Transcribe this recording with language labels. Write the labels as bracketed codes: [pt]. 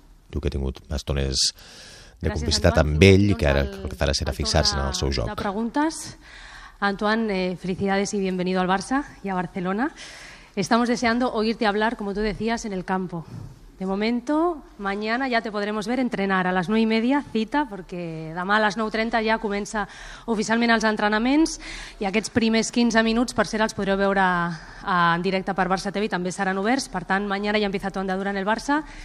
[ca] Tu que has tingut bastones de complicitat amb ell i que ara el que farà serà fixar-se en el seu joc. Preguntes. [es] Antoine, felicidades y bienvenido al Barça y a Barcelona. Estamos deseando oírte hablar, como tú decías, en el campo. De momento, mañana ya te podremos ver entrenar a las 9:30, [ca] cita, porque demà a les 9:30 ja comença oficialment els entrenaments i aquests primers 15 minuts, per cert, els podreu veure en directe per Barça TV, també seran oberts. Per tant, [es] mañana ja empieza tu andadura en el Barça.